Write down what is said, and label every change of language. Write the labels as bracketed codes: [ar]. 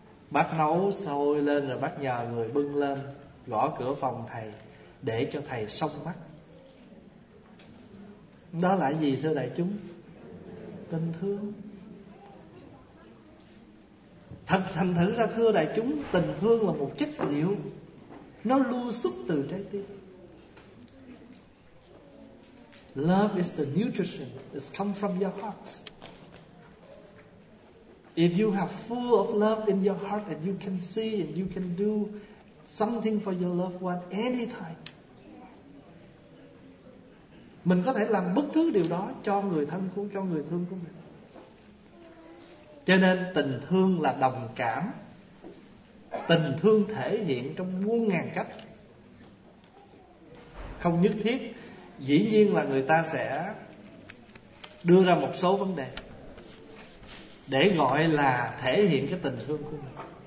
[vi] Bác nấu sôi lên rồi bác nhờ người bưng lên gõ cửa phòng thầy để cho thầy xông mắt. Đó là gì thưa đại chúng? Tình thương. Thành thử ra thưa đại chúng, tình thương là một chất liệu, nó lưu xuất từ trái tim. [en] Love is the nutrition, it's come from your heart. If you have full of love in your heart and you can see and you can do something for your loved one anytime. [vi] Mình có thể làm bất cứ điều đó cho người thân, cho người thương của mình. Cho nên tình thương là đồng cảm. Tình thương thể hiện trong muôn ngàn cách. Không nhất thiết, dĩ nhiên là người ta sẽ đưa ra một số vấn đề để gọi là thể hiện cái tình thương của mình.